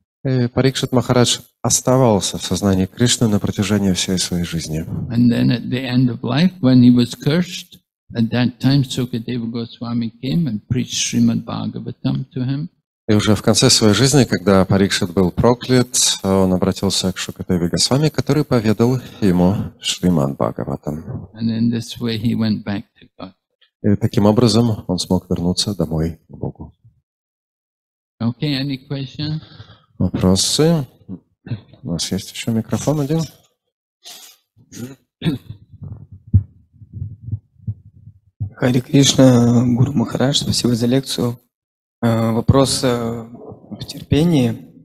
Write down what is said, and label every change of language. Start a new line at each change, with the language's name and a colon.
Russian: Парикшит Махарадж оставался в сознании Кришны на протяжении всей своей жизни.
English: And then at the end of life, when he was cursed, at that time Sukadeva Goswami came and preached Srimad Bhagavatam to him.
Russian: И уже в конце своей жизни, когда Парикшит был проклят, он обратился к Шукадеве Госвами, который поведал ему Шримад Бхагаватам.
English: And in this way he went back to God.
Russian: И таким образом он смог вернуться домой к Богу.
English: Okay, any questions?
Russian: Вопросы? У нас есть еще микрофон один? Хари Кришна, Гуру Махарадж, спасибо за лекцию. Вопрос в терпении.